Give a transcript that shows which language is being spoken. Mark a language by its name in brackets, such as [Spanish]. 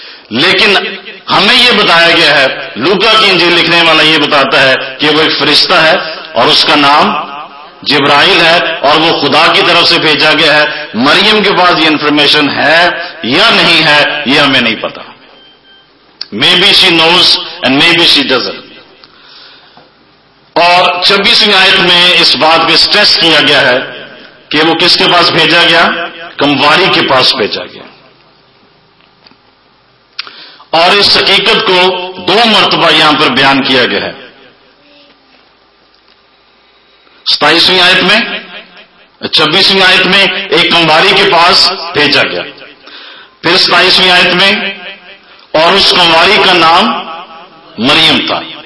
[Urdu] لیکن ہمیں یہ بتایا گیا ہے, لوکا کی انجیل لکھنے والا یہ بتاتا ہے کہ وہ ایک فرشتہ ہے اور اس کا نام جبرائیل ہے اور وہ خدا کی طرف سے بھیجا گیا ہے. مریم کے پاس یہ انفارمیشن ہے یا نہیں ہے یہ ہمیں نہیں پتا. [English] Maybe she knows and maybe she doesn't. [Urdu] اور 26 آیت میں اس بات پہ سٹریس کیا گیا ہے کہ وہ کس کے پاس بھیجا گیا, کمواری کے پاس بھیجا گیا. اور اس حقیقت کو دو مرتبہ یہاں پر بیان کیا گیا ہے, 27 آیت میں, 26 آیت میں ایک کمواری کے پاس بھیجا گیا, پھر 27 آیت میں اور اس کمواری کا نام مریم تھا.